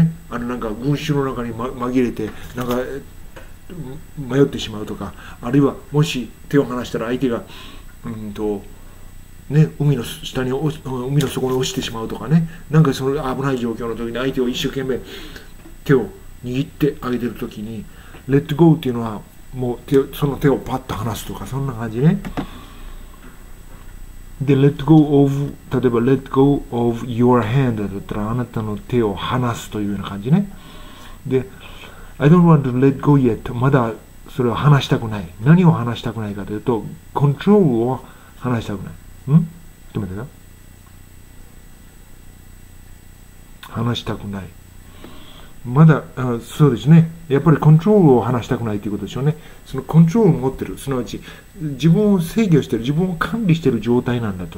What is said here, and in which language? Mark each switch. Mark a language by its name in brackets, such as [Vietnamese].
[Japanese] なんか群衆の中に、紛れて、なんか、迷ってしまうとか、あるいはもし手を離したら相手が、海の下に、海の底に落ちてしまうとかね、なんかその危ない状況の時に相手を一生懸命手を握ってあげてる時に、レッドゴーっていうのは、もう手その手をパッと離すとか、そんな感じね。で、let go of、例えば [English] let go of your hand [Japanese] だったら、あなたの手を離すというような感じね。で、 [English] I don't want to let go yet、 [Japanese] まだそれを離したくない。何を離したくないかというと、コントロールを離したくない。ん？ちょっと待ってな。離したくない、まだ、そうですね、やっぱりコントロールを離したくないということでしょうね。そのコントロールを持ってる、すなわち自分を制御している、自分を管理している状態なんだと。